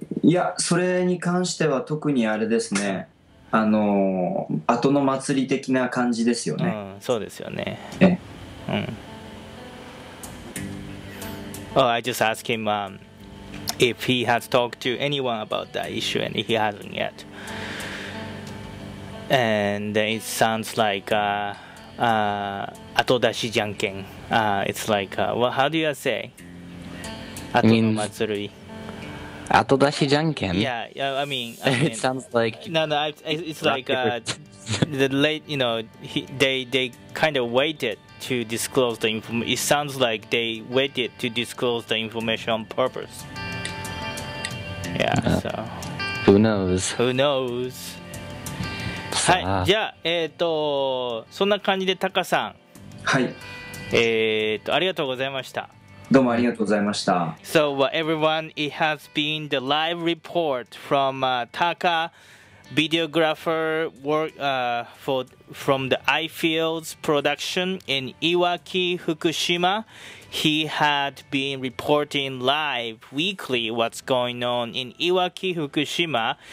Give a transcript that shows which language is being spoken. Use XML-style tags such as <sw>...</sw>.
<ja>いや、それに関しては特にあれですね、後の祭り的な感じですよね。うん、そうですよね。え、うん。</ja> <en>Oh, I just asked him, if he has talked to anyone about that issue, and he hasn't yet. And it sounds like, atodashi janken. It's like, well, how do you say? Atonomatsuri. Atodashi janken? Yeah, it sounds like. It's like, the late, you know, they kind of waited to disclose the information. It sounds like they waited to disclose the information on purpose. Yeah, so. Who knows?</en> <ja>はい、じゃあ、そんな感じでタカさん。はい。ありがとうございました。どうもありがとうございました。</ja> <en>So, everyone, it has been the live report from Taka, videographer work from the iFields production in Iwaki, Fukushima. He had been reporting live weekly what's going on in Iwaki, Fukushima.</en>